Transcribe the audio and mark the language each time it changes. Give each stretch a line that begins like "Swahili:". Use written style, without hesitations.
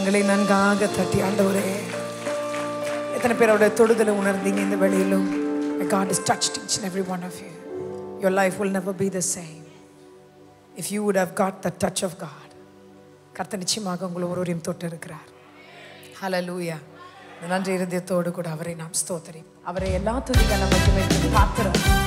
Tamil: நன்றாக தட்டி ஆண்டவரே, எத்தனை பேர் அவருடைய தொடுதலை உணர்ந்தீங்க இந்த வழியிலும்.
English: My God has touched each and every one of you. Your life will never be the same if you would have got the touch of God.
Tamil: கர்த்தர் நிச்சயமாக உங்களை ஒருவரையும் தொட்டிருக்கிறார். ஹல்லேலூயா. நன்றி இருதயத்தோடு கூட அவரை நாம் ஸ்தோத்தரிப்போம். அவரை எல்லா துதிகளும் மட்டுமே பார்க்கிறோம்.